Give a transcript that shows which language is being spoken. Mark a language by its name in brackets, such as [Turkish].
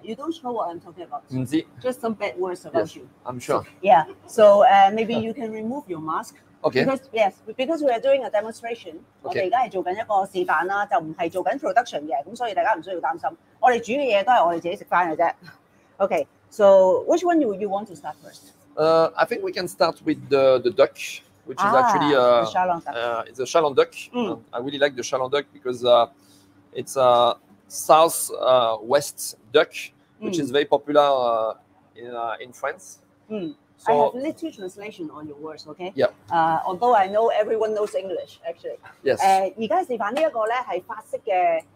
[English] You don't know what I'm talking about。 [Cantonese] 唔知。 [English] Just some bad words about yes, you。 I'm sure。 Yeah， so maybe you can remove your mask。 Okay。 Because yes， because we are doing a demonstration、okay.。 [Cantonese] 我哋而家係做緊一個示範啦，就唔係做緊 production 嘅，咁所以大家唔需要擔心。我哋煮嘅嘢都係我哋自己食翻嘅啫。 [English] Okay， so which one do you want to start first？ I think we can start with the duck, which is actually it's a Challand duck. Mm. I really like the Challand duck because it's a south west duck, which is very popular in France. Mm. So, I have little translation on your words, okay? Yeah. Although I know everyone knows English, actually. Yes. [Cantonese] 而家示范呢一个咧系法式嘅。